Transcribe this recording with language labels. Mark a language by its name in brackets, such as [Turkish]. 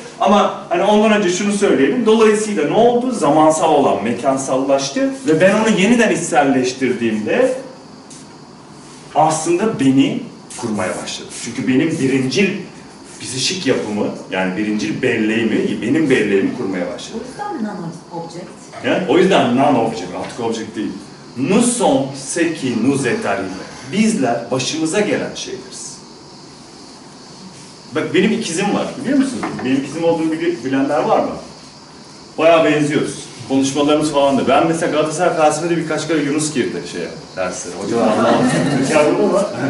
[Turkish] Ama hani ondan önce şunu söyleyelim. Dolayısıyla ne oldu? Zamansal olan mekansallaştı ve ben onu yeniden içselleştirdiğimde aslında beni kurmaya başladı. Çünkü benim birincil psişik yapımı, yani birincil belleğimi, benim belleğimi kurmaya başladı. O yüzden non-object. Yani, o yüzden non-object, artık object değil. [French] Nous sommes ce qui nous est arrivé. [Turkish] Bizler başımıza gelen şeyleriz. Bak benim ikizim var, biliyor musunuz? Benim ikizim olduğunu bilenler var mı? Bayağı benziyoruz. Konuşmalarımız falan da. Ben mesela Galatasaray Kasım'da birkaç kere Yunus girdi şeye, derslere. Hocalar Allah'ım. Türkler bu ama.